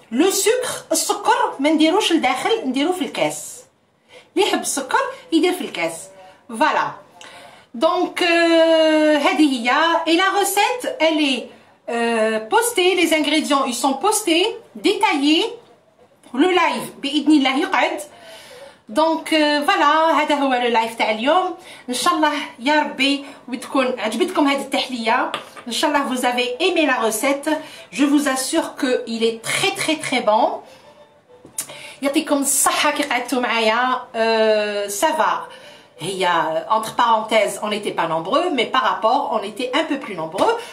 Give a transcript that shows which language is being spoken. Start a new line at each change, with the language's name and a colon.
French: Le sucre, le sucre,
Arabic: men dirou chel dakhil, ndirou fil kas. Li hab sucre,
French: il dit
Arabic: fil kas. Voilà.
French: Donc
Arabic: hadi hiya
French: et la recette, elle est postée, les ingrédients ils sont postés, détaillés.
Arabic: Le live, بإذن الله يقعد.
French: Donc voilà,
Arabic: هذا هو le live تاع اليوم. إن شاء الله يا ربي وتكون عجبتكم هذه التحلية.
French: إن شاء الله vous avez aimé la recette. Je vous assure que il est très très très bon.
Arabic: يعطيكم الصحة كي قعدتوا معايا.
French: Ça va.
Arabic: هي
French: entre parenthèses, on n'était pas nombreux, mais par rapport, on était un peu plus nombreux.